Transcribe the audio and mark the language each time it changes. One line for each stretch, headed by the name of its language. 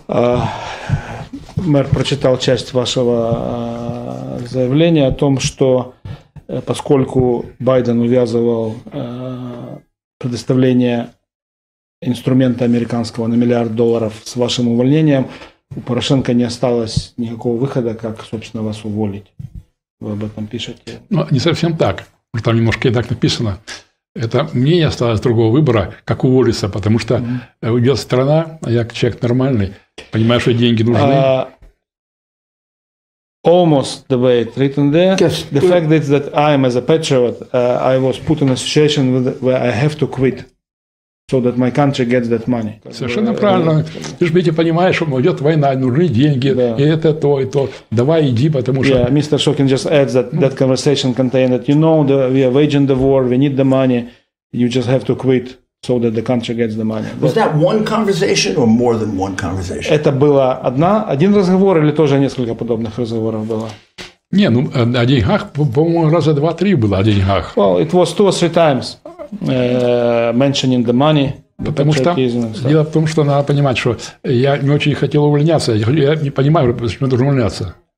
Russian: Мэр прочитал часть вашего заявления о том, что поскольку Байден увязывал предоставление инструмента американского на миллиард долларов с вашим увольнением, у Порошенко не осталось никакого выхода, как, собственно, вас уволить. Вы об этом пишете. Ну, не совсем так. Там немножко и так написано. Это мне не осталось другого выбора, как уволиться, потому что уйдет страна, а я человек нормальный, понимаю, что деньги нужны.
English: Almost the way it's written there. Yes. The fact is that I am as a patriot, I was put in a situation where I have to quit so that my country gets that money.
Russian: Совершенно правильно. Ты же видите, понимаешь, что идет война, нужны деньги, и это то, и то. Давай иди, потому что...
English: Yeah, Mr. Shokin just adds that that conversation contained that, you know, the, we are waging the war, we need the money, you just have to quit so that the country gets the money. Was that one conversation or more than one conversation?
Russian: Это было один разговор или тоже несколько подобных разговоров было? Не, ну, о деньгах, по-моему, раза два-три было о деньгах.
English: Well, it was two or three times mentioning the money.
Russian: Потому что дело в том, что надо понимать, что я не очень хотел увольняться. Я не понимаю, почему я должен увольняться.